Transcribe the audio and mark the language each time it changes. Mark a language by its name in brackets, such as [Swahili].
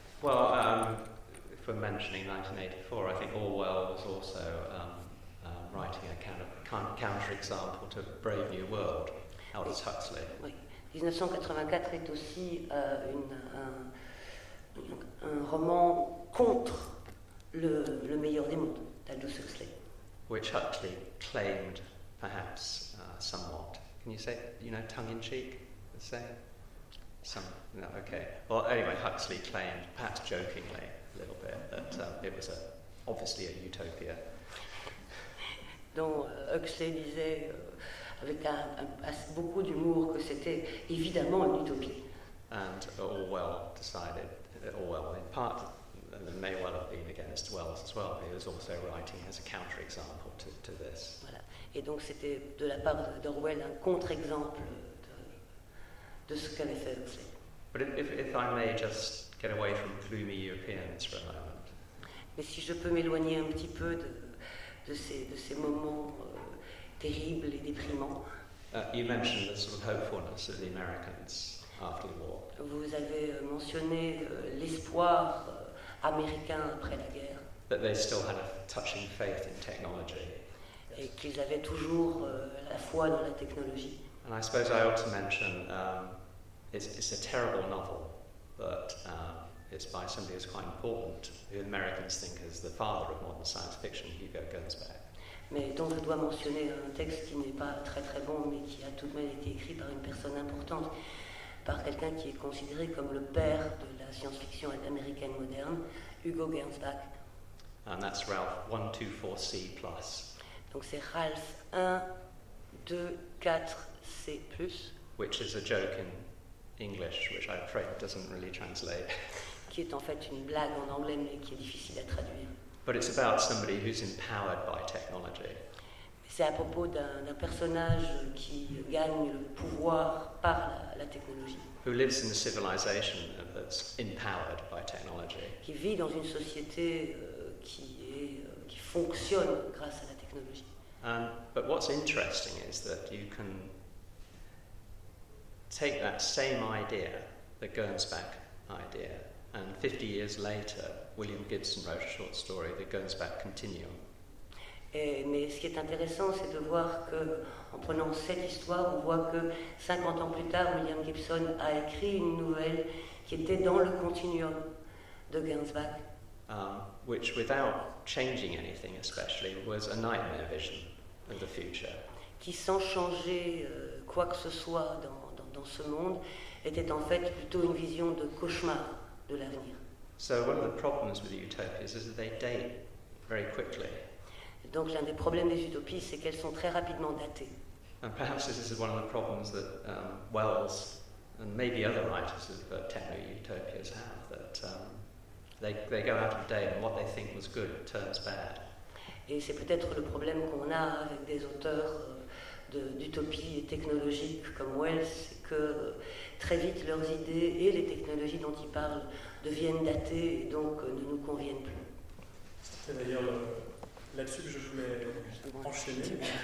[English] Well, if we're mentioning 1984, I think Orwell was also writing a counter-example to Brave New World, Aldous Huxley. [French] Oui. 1984 est aussi un roman contre le meilleur des mondes, d'Aldous Huxley. [English] Which Huxley claimed, perhaps, somewhat. Can you say, tongue-in-cheek, let's say? Some, no, okay. Well, anyway, Huxley claimed, perhaps jokingly a little bit, that it was obviously a utopia. [French] Donc Huxley disait avec un beaucoup d'humour que c'était évidemment une utopie. [English] And Orwell decided, Orwell in part, and it may well have been against Wells as well, he was also writing as a counter-example to this. [French] Voilà. Et donc c'était de la part d'Orwell un contre-exemple de ce qu'avait fait Huxley. [English] But if I may just get away from gloomy Europeans for a moment. [French] Mais si je peux m'éloigner un petit peu de ces moments terribles et déprimants. [English] You mentioned the sort of hopefulness of the Americans after the war. [French] Vous avez mentionné l'espoir américain après la guerre. [English] That they still had a touching faith in technology. [French] Et qu'ils avaient toujours la foi dans la technologie. [English] And I suppose I ought to mention it's a terrible novel, but it's by somebody who's quite important, who the Americans think is the father of modern science fiction, Hugo Gernsback. [French] Mais donc je dois mentionner un texte qui n'est pas très très bon, mais qui a tout de même été écrit par une personne importante, par quelqu'un qui est considéré comme le père de la science-fiction américaine moderne, Hugo Gernsback. [English] And that's Ralph 124C+. [French] Donc c'est Ralph 124C+. [English] Which is a joke in English, which I'm afraid doesn't really translate. [French] Qui est en fait une blague en anglais, mais qui est difficile à traduire. [English] But it's about somebody who's empowered by technology. [French] C'est à propos d'un personnage qui gagne le pouvoir par la technologie. [English] Who lives in a civilization that's empowered by technology. [French] Qui vit dans une société qui fonctionne grâce à la technologie. [English] But what's interesting is that you can take that same idea, the Gernsback idea, and 50 years later, William Gibson wrote a short story, The Gernsback Continuum. [French] Mais ce qui est intéressant, c'est de voir que, en prenant cette histoire, on voit que 50 ans plus tard, William Gibson a écrit une nouvelle qui était dans le continuum de Gernsback. [English] Which, without changing anything especially, was a nightmare vision of the future. [French] Qui, sans changer quoi que ce soit dans ce monde, était en fait plutôt une vision de cauchemar de l'avenir. [English] So one of the problems with the utopias is that they date very quickly. [French] Donc l'un des problèmes des utopies, c'est qu'elles sont très rapidement datées. [English] And perhaps this is one of the problems that Wells and maybe other writers of techno-utopias have, that they go out of date and what they think was good turns bad. [French] Et c'est peut-être le problème qu'on a avec des auteurs d'utopie technologique comme Wells, c'est que très vite leurs idées et les technologies dont ils parlent deviennent datées et donc ne nous conviennent plus. C'est d'ailleurs là-dessus que je voulais enchaîner.